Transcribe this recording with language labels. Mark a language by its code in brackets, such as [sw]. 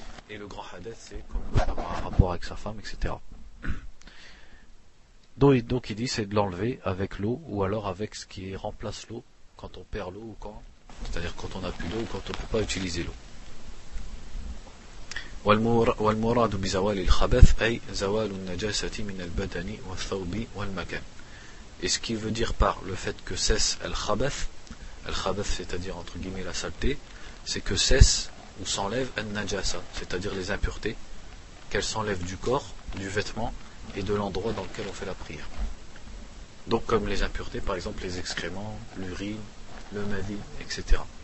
[fr] Et le grand hadith, c'est avoir un rapport avec sa femme, etc. Donc il dit, c'est de l'enlever avec l'eau ou alors avec ce qui remplace l'eau quand on perd l'eau ou quand, c'est-à-dire quand on n'a plus d'eau ou quand on ne peut pas utiliser l'eau. [ar] والمراد بزوال الخبث أي زوال النجاسة من البدن والثوب والمكان. [fr] Et ce qui veut dire par le fait que cesse el khabath, c'est-à-dire entre guillemets la saleté, c'est que cesse ou s'enlève el najasa, c'est-à-dire les impuretés, qu'elles s'enlèvent du corps, du vêtement et de l'endroit dans lequel on fait la prière. Donc comme les impuretés, par exemple les excréments, l'urine, le madi, etc.